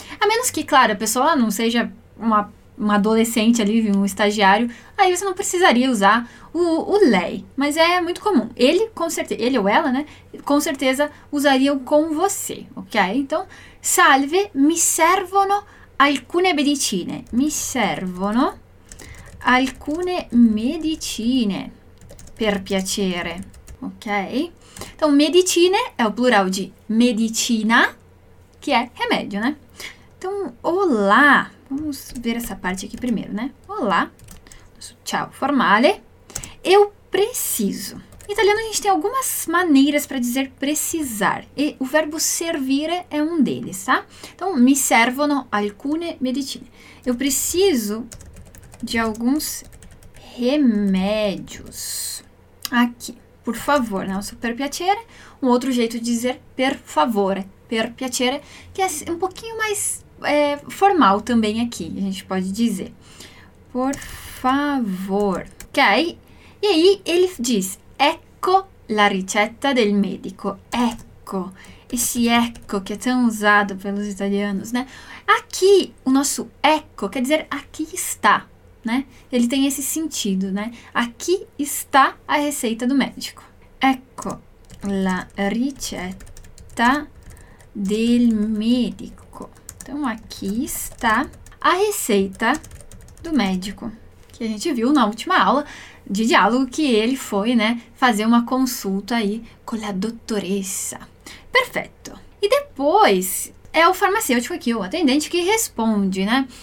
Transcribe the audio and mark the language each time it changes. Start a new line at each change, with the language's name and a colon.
Portuguese: A menos que, claro, a pessoa não seja uma adolescente ali, um estagiário, aí você não precisaria usar o lei. Mas é muito comum. Ele, com certeza, ele ou ela, né? Com certeza usariam com você, ok?
Italian: Então, salve, mi servono alcune medicine. Mi servono alcune medicine, per piacere, ok?
Portuguese: Então, medicine è o plural di medicina, che è remedio, né? Então, olá. Vamos ver essa parte aqui primeiro, né? Olá, tchau, formale. Eu preciso. Em italiano, a gente tem algumas maneiras para dizer precisar. E o verbo servire é um deles, tá? Então,
Italian: mi servono alcune medicine.
Portuguese: Eu preciso de alguns remédios. Aqui, por favor, né? O super piacere. Um outro jeito de dizer
Italian: per favore, per piacere,
Portuguese: que é um pouquinho mais formal também aqui, a gente pode dizer. Por favor. Ok? E aí, ele diz:
Italian: Ecco la ricetta del medico. Ecco.
Portuguese: ecco, esse ecco que é tão usado pelos italianos, né? Aqui, o nosso ecco quer dizer aqui está, né? Ele tem esse sentido, né? Aqui está a receita do médico.
Italian: Ecco la ricetta del medico.
Portuguese: Então, aqui está a receita do médico, que a gente viu na última aula de diálogo, que ele foi, né, fazer uma consulta aí com a dottoressa. Perfeito. E depois é o farmacêutico aqui, o atendente, que responde, né?